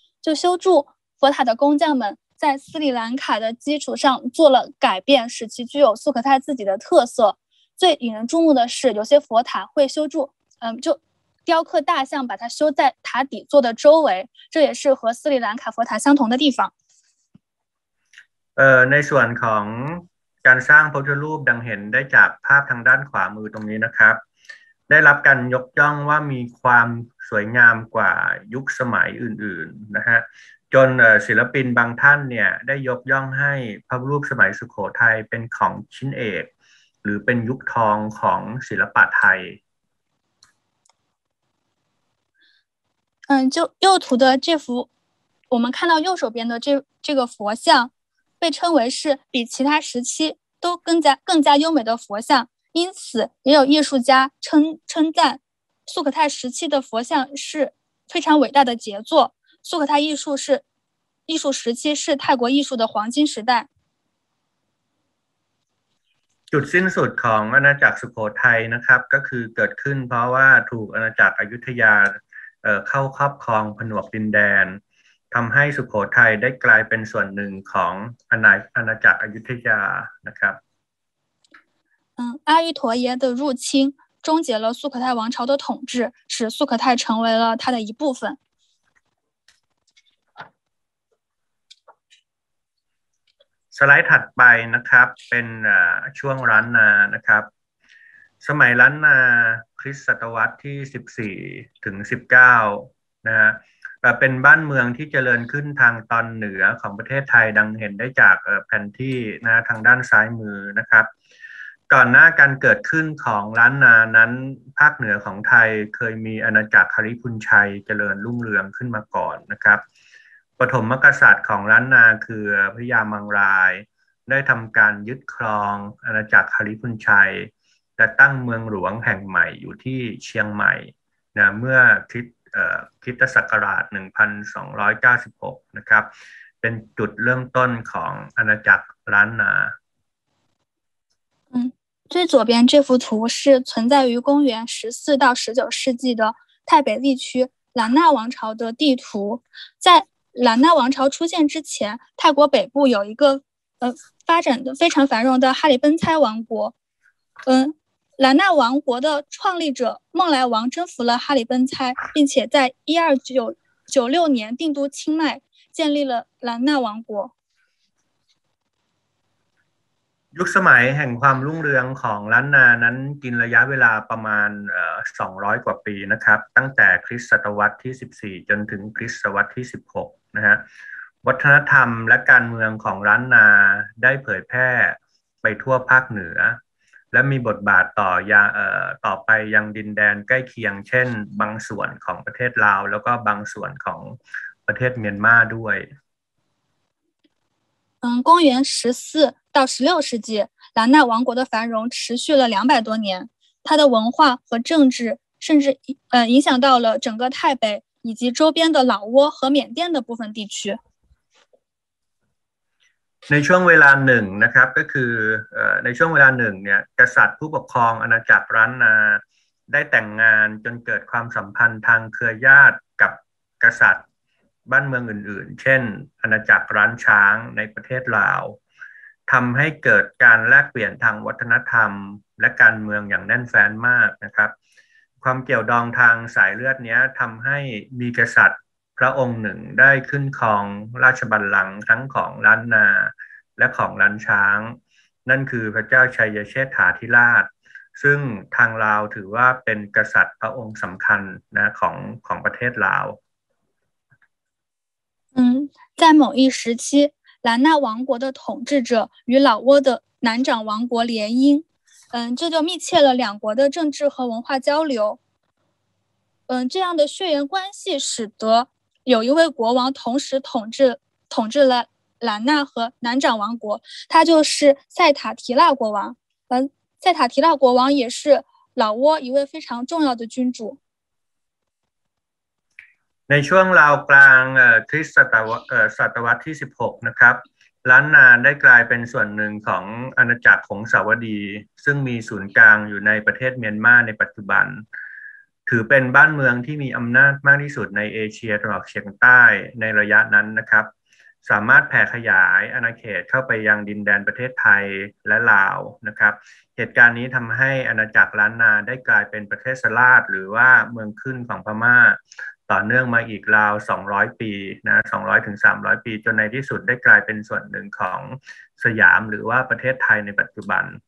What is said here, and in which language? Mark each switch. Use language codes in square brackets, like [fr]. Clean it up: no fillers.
[zh] 就修筑佛塔的工匠们在斯里兰卡的基础上做了改变，使其具有素可泰自己的特色。最引人注目的是，有些佛塔会修筑，就雕刻大象，把它修在塔底座的周围，这也是和斯里兰卡佛塔相同的地方。 [th] ในส่วนของการสร้างพระพุทธรูปดังเห็นได้จากภาพทางด้านขวามือตรงนี้นะครับได้รับการยกย่องว่ามีความสวยงามกว่ายุคสมัยอื่นๆนะฮะจนศิลปินบางท่านเนี่ยได้ยกย่องให้พระรูปสมัยสุโขทัยเป็นของชิ้นเอกหรือเป็นยุคทองของศิลปะไทย [zh] 右图的这幅我们看到右手边的这个佛像被称为是比其他时期都更加优美的佛像，因此也有艺术家称赞素可泰时期的佛像是非常伟大的杰作。素可泰艺术时期是泰国艺术的黄金时代。 [th] จุดสิ้นสุดของอาณาจักรสุโขทัยนะครับก็คือเกิดขึ้นเพราะว่าถูกอาณาจักรอยุธยาเข้าครอบครองผนวกดินแดนทำให้สุโขทัยได้กลายเป็นส่วนหนึ่งของอาณาจักรอยุธยานะครับ [zh] 阿育陀耶的入侵终结了素可泰王朝的统治使素可泰成为了它的一部分 [th] สไลด์ถัดไปนะครับเป็นช่วงล้านนานะครับสมัยล้านนาคริสต์ศตวรรษที่14ถึง19นะฮะเป็นบ้านเมืองที่เจริญขึ้นทางตอนเหนือของประเทศไทยดังเห็นได้จากแผนที่นะทางด้านซ้ายมือนะครับ ก่อนหน้าการเกิดขึ้นของล้านนานั้นภาคเหนือของไทยเคยมีอาณาจักรคฤหุนชัยเจริญรุ่งเรืองขึ้นมาก่อนนะครับปฐมกษัตริย์ของล้านนาคือพระยามังรายได้ทำการยึดครองอาณาจักรคฤหุนชัยและตั้งเมืองหลวงแห่งใหม่อยู่ที่เชียงใหม่นะเมื่อคริสตศักราช1296นะครับเป็นจุดเริ่มต้นของอาณาจักรล้านนา [zh] 最左边这幅图是存在于公元14到19世纪的泰北地区兰纳王朝的地图在兰纳王朝出现之前泰国北部有一个发展的非常繁荣的哈里奔猜王国兰纳王国的创立者孟莱王征服了哈里奔猜，并且在1296年定都清迈，建立了兰纳王国。 [th] ยุคสมัยแห่งความรุ่งเรืองของล้านนานั้นกินระยะเวลาประมาณ200กว่าปีนะครับตั้งแต่คริสต์ศตวรรษที่14จนถึงคริสต์ศตวรรษที่16นะฮะวัฒนธรรมและการเมืองของล้านนาได้เผยแพร่ไปทั่วภาคเหนือและมีบทบาทต่อไปยังดินแดนใกล้เคียงเช่นบางส่วนของประเทศลาวแล้วก็บางส่วนของ ประเทศเมียนมาด้วย [zh] 公元14到16世纪兰纳王国的繁荣持续了200多年它的文化和政治甚至影响到了整个泰北以及周边的老挝和缅甸的部分地区 [th] ในช่วงเวลาหนึ่งนะครับก็คือในช่วงเวลาหนึ่งเนี่ยกษัตริย์ผู้ปกครองอาณาจักรร้านนาได้แต่งงานจนเกิดความสัมพันธ์ทางเครือญาติกับกษัตริย์บ้านเมืองอื่นๆเช่นอาณาจักรร้านช้างในประเทศลาว ทำให้เกิดการแลกเปลี่ยนทางวัฒนธรรมและการเมืองอย่างแน่นแฟ้นมากนะครับความเกี่ยวดองทางสายเลือดนี้ทำให้มีกษัตริย์พระองค์หนึ่งได้ขึ้นครองราชบัลลังก์ทั้งของล้านนาและของล้านช้างนั่นคือพระเจ้าชัยเชษฐาธิราชซึ่งทางลาวถือว่าเป็นกษัตริย์พระองค์สำคัญนะของประเทศลาว [zh] 在某一时期兰纳王国的统治者与老挝的南掌王国联姻这就密切了两国的政治和文化交流这样的血缘关系使得有一位国王同时统治了兰纳和南掌王国，他就是塞塔提腊国王。塞塔提腊国王也是老挝一位非常重要的君主。 [th] ในช่วงราวกลางคริสต์ศตวรรษที่16นะครับล้านนาได้กลายเป็นส่วนหนึ่งของอาณาจักรของสาวดีซึ่งมีศูนย์กลางอยู่ในประเทศเมียนมาในปัจจุบัน ถือเป็นบ้านเมืองที่มีอำนาจมากที่สุดในเอเชียตะวันออกเฉียงใต้ในระยะนั้นนะครับสามารถแผ่ขยายอาณาเขตเข้าไปยังดินแดนประเทศไทยและลาวนะครับเหตุการณ์นี้ทำให้อาณาจักรล้านนาได้กลายเป็นประเทศราชหรือว่าเมืองขึ้นของพม่าต่อเนื่องมาอีกราว200ปีนะ200ถึง300ปีจนในที่สุดได้กลายเป็นส่วนหนึ่งของสยามหรือว่าประเทศไทยในปัจจุบัน